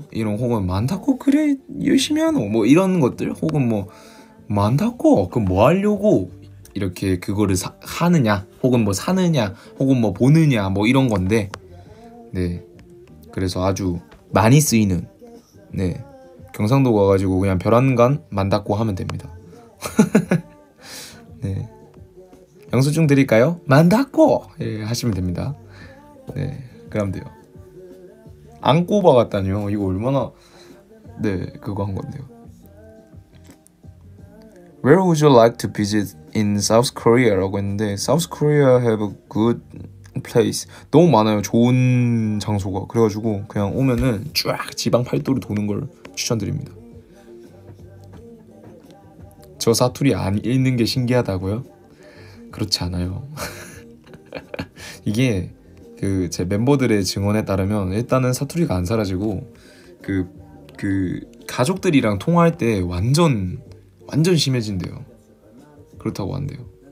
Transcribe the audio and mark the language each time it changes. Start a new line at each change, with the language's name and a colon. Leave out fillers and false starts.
Korean: 이런 혹은 만다고 그래 열심히 하노? 뭐 이런 것들 혹은 뭐 만다고 그 뭐 하려고 이렇게 그거를 하느냐 혹은 뭐 사느냐 혹은 뭐 보느냐 뭐 이런 건데 네 그래서 아주 많이 쓰이는 네 경상도 가가지고 그냥 별안간 만다고 하면 됩니다. 네 영수증 드릴까요? 만다고 예, 하시면 됩니다. 네 그럼 돼요. 안 꼽아갔다니요. 이거 얼마나 네 그거 한 건데요.
English: Where would you like to visit in South Korea?
Korean: 라고 했는데
English: South Korea have a good place.
Korean: 너무 많아요. 좋은 장소가. 그래가지고 그냥 오면은 쫙 지방 팔도를 도는 걸 추천드립니다. 저 사투리 안 읽는 게 신기하다고요? 그렇지 않아요. 이게 그 제 멤버들의 증언에 따르면 일단은 사투리가 안 사라지고 그 가족들이랑 통화할 때 완전 심해진대요. 그렇다고 한대요.